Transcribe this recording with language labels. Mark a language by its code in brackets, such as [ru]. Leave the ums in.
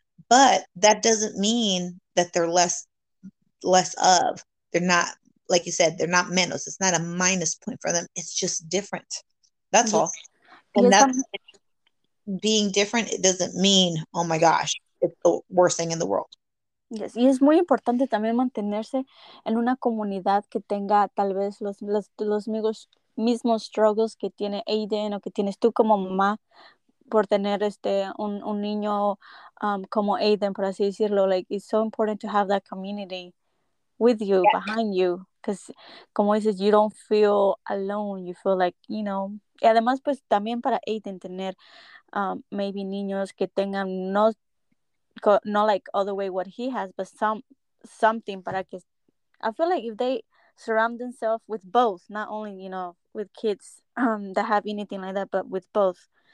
[en] But that doesn't mean that they're less less of. They're not like you said, they're not menos. It's not a minus point for them. It's just different. That's all. And yes, that's I'm... being different, it doesn't mean, oh my gosh, it's the worst thing in the world. Yes. [es] Y es muy importante también mantenerse en una comunidad que tenga tal vez los, los, los mismos, mismos struggles que tiene Aiden o que tienes tú como mamá por tener este un, un niño um, como Aiden, por así decirlo. [en] Like, it's so important to have that community with you, yeah. behind you. Because, [es] como dices, [en] you don't feel alone. You feel like, you know. [es] Y además, pues también para Aiden tener [en] um, maybe [es] niños que tengan no [en] not like other way what he has, but some something [es] para que [en] I feel like if they surround themselves with both, not only, you know, with kids um that have anything like that, but with both.